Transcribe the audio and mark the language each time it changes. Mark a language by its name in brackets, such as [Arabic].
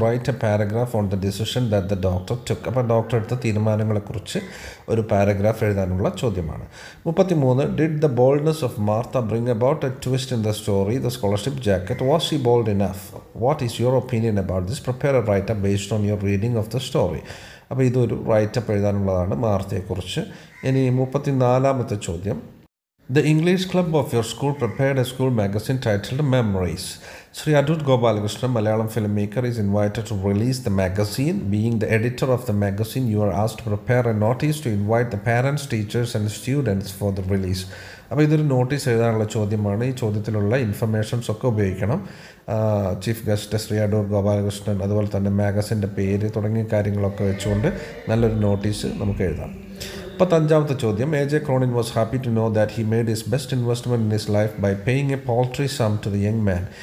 [English] Write a paragraph on the decision that the doctor took. [Malayalam] അപ്പോൾ doctor എടുത്ത തീരുമാനങ്ങളെക്കുറിച്ച് ഒരു paragraph എഴുതാനുള്ള ചോദ്യമാണ്. 33. [English] Did the boldness of Martha bring about a twist in the story the scholarship jacket. Was she bold enough? What is your opinion about this? Prepare a writer based on your reading of the story. [Malayalam] അപ്പോൾ ഇതൊരു writeup എഴുതാനുള്ളതാണ് മാർത്തയെക്കുറിച്ച്. ഇനി 34th ചോദ്യം. [English] The English club of your school prepared a school magazine titled Memories. Sri Adut Gopalakrishnan, Malayalam filmmaker, is invited to release the magazine. Being the editor of the magazine, you are asked to prepare a notice to invite the parents, teachers and students for the release. [Malayalam] അപ്പോൾ ഇതൊരു notice എഴുതാനുള്ള ചോദ്യമാണ്. ഈ ചോദ്യത്തിലുള്ള informations ഒക്കെ ഉപയോഗിക്കണം. Chief guest Shri Adoor Gopalakrishnan, അതുപോലെ തന്നെ മാഗസിൻ്റെ പേര് തുടങ്ങിയ കാര്യങ്ങളൊക്കെ വെച്ചുകൊണ്ട് നല്ലൊരു നോട്ടീസ് നമുക്ക് എഴുതാം. 35th ചോദ്യം. [English] A J Cronin was happy to know that he made his best investment in his life by paying a paltry sum to the young man.